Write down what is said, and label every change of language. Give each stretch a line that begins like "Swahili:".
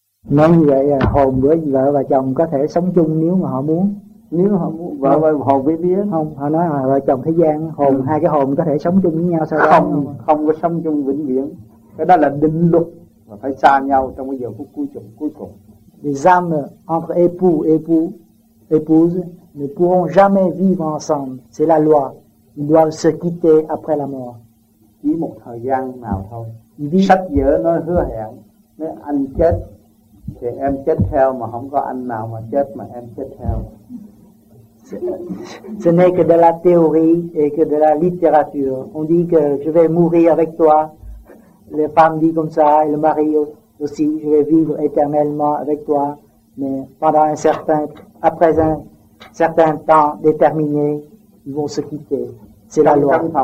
Vietnamese: Nói như vậy là hồn với vợ và chồng có thể sống chung nếu mà họ muốn. Nếu họ muốn, vợ và hồn với vía. Không, họ nói là vợ chồng thế gian, hồn, ừ, hai cái hồn có thể sống chung với nhau sau đó. Không, không có sống chung vĩnh viễn. Cái đó là định luật, và phải xa nhau trong cái giờ phút cuối cùng.
French: Les âmes entre époux, époux, épouse ne pourront jamais vivre ensemble. C'est la loi. Ils doivent se quitter après la mort.
Vietnamese: Chỉ một thời gian nào thôi. Vì... sách vở nó hứa hẹn, nếu anh chết thì em chết theo, mà không có anh nào mà chết mà em chết theo.
French: Ce n'est que de la théorie et que de la littérature. On dit que je vais mourir avec toi. Les femmes disent comme ça, et le mari aussi, je vais vivre éternellement avec toi, mais pendant un certain, après un certain temps déterminé, ils vont se quitter. C'est la loi.